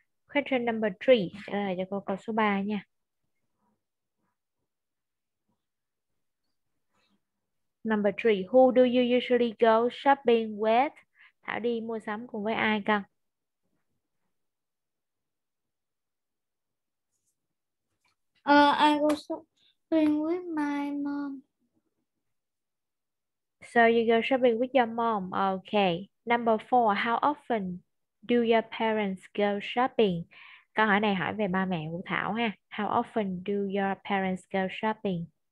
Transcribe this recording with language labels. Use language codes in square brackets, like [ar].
[en] Question number 3, [vi] trả lời cho câu số 3 nha. [en] Number 3, who do you usually go shopping with? [vi] Thảo đi mua sắm cùng với ai con? [en] I go shopping with my mom. So you go shopping with your mom, okay. Number 4, how often do your parents go shopping? [vi] Câu hỏi này hỏi về ba mẹ của Thảo ha. [en] How often do your parents go shopping?